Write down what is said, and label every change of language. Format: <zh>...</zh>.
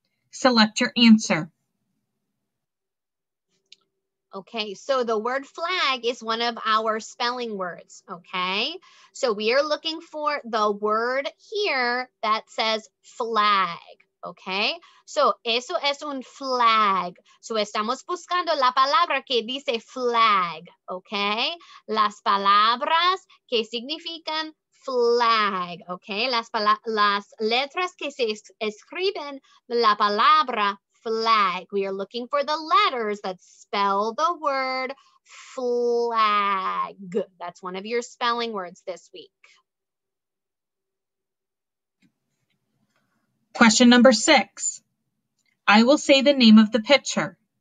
<en>Select your answer. Okay, so the word flag is one of our spelling words, okay? So we are looking for the word here that says flag.</en> <es>Okay, so eso es un flag. So estamos buscando la palabra que dice flag. Okay, las palabras que significan flag. Okay, las letras que se escriben la palabra flag.</es> <en>We are looking for the letters that spell the word flag. That's one of your spelling words this week. Question number 6. I will say the name of the picture.</en>